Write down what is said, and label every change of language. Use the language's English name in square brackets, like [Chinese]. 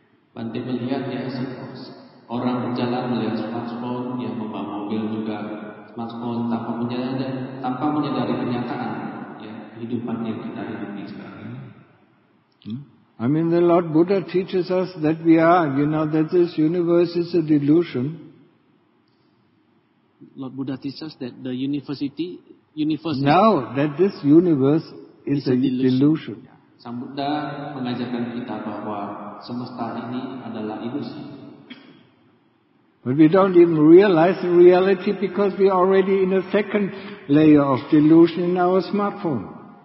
[Indonesian] Banting melihat, ya, orang berjalan melihat smartphone, ya, membawa mobil juga smartphone, tanpa menyadari kenyataan, ya, kehidupan yang kita hidupi sekarang. [English] I mean, the Lord Buddha teaches us that we are, you know, that this universe is a delusion. Lord Buddha teaches that the universe. No, that this universe is a delusion. [Indonesian] Sang Buddha mengajarkan kita bahwa semesta ini adalah ilusi. [English] But we don't even realize the reality because we are already in a second layer of delusion in our smartphone.